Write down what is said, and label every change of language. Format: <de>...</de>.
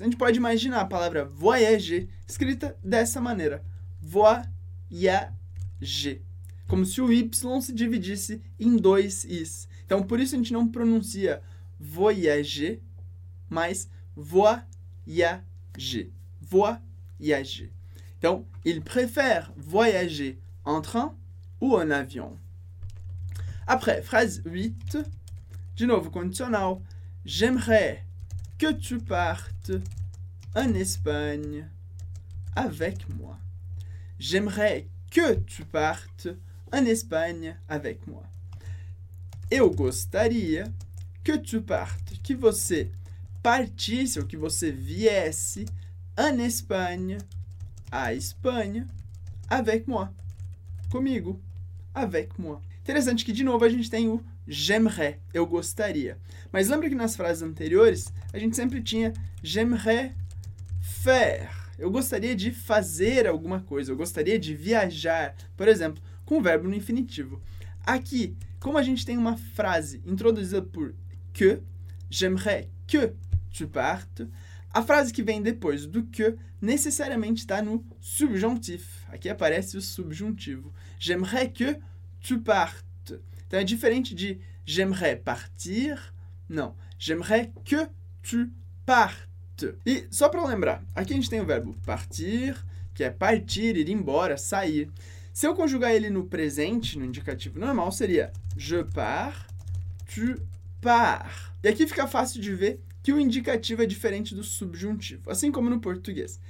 <pt>A gente pode imaginar a palavra voyager escrita dessa maneira. Voyager. Como se o Y se dividisse em dois Is. Então, por isso a gente não pronuncia voyager, mas voyager.</pt> <fr>Voyager. Então, il préfère voyager en train ou en avion. Après, phrase 8.</fr> <pt>De novo, condicional.</pt> <fr>J'aimerais que tu partes en Espagne avec moi. J'aimerais que tu partes en Espagne avec moi.</fr> <pt>Eu gostaria que tu partes, que você partisse ou que você viesse</pt> <fr>en Espagne, à Espagne, avec moi.</fr> <pt>Comigo,</pt> <fr>avec moi.</fr> <pt>Interessante que, de novo, a gente tem o j'aimerais, eu gostaria. Mas lembra que nas frases anteriores, a gente sempre tinha</pt> <fr>j'aimerais faire.</fr> <pt>Eu gostaria de fazer alguma coisa, eu gostaria de viajar. Por exemplo, com o verbo no infinitivo. Aqui, como a gente tem uma frase introduzida por que,</pt> <fr>j'aimerais que tu partes,</fr> <pt>a frase que vem depois do que necessariamente está no subjuntif. Aqui aparece o subjuntivo.</pt> <fr>J'aimerais que tu partes.</fr> <pt>Então, é diferente de</pt> <fr>j'aimerais partir,</fr> <pt>não.</pt> <fr>J'aimerais que tu partes.</fr> <pt>E só para lembrar, aqui a gente tem o verbo partir, que é partir, ir embora, sair. Se eu conjugar ele no presente, no indicativo normal, seria</pt> <fr>je pars, tu pars.</fr> <pt>E aqui fica fácil de ver que o indicativo é diferente do subjuntivo, assim como no português.</pt>